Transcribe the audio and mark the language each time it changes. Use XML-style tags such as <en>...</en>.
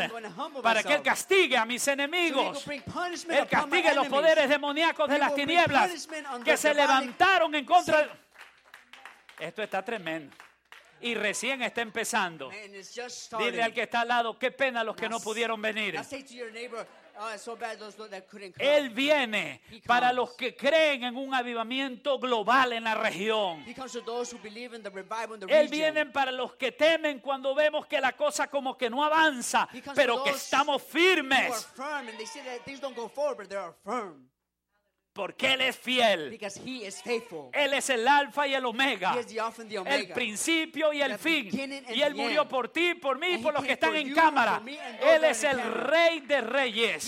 <en>I am going to humble myself.</en> <es>Para que Él castigue a mis enemigos.</es> <en>So he will bring punishment</en> <es>Él castigue</es> <en>upon my</en> <es>los poderes demoníacos de las tinieblas que se levantaron en contra. Esto está tremendo. Y recién está empezando.</es> <en>Man, it's just started.</en> <es>Dile al que está al lado, qué pena los que</es> <en>now,</en> <es>no pudieron venir.</es> <en>Say to your neighbor, oh, so bad those that couldn't come.</en> <es>Él viene para los que creen en un avivamiento global en la región.</es> <en>He comes to those who believe in the revival in the region.</en> <es>Él viene para los que temen cuando vemos que la cosa como que no avanza, pero que estamos firmes.</es> <en>Who are firm and they say that things don't go forward, but they are firm.</en> <es>Porque Él es fiel.</es> <en>Because he is faithful.</en> <es>Él es el alfa y el omega.</es> <en>He is the alpha and the omega.</en> <es>El principio y el</es> <en>the</en> <es>fin.</es> <en>And</en> <es>y Él murió</es> <en>end.</en> <es>Por ti, por mí,</es> <en>and</en> <es>por los que están en cámara. Él es el rey de reyes.</es>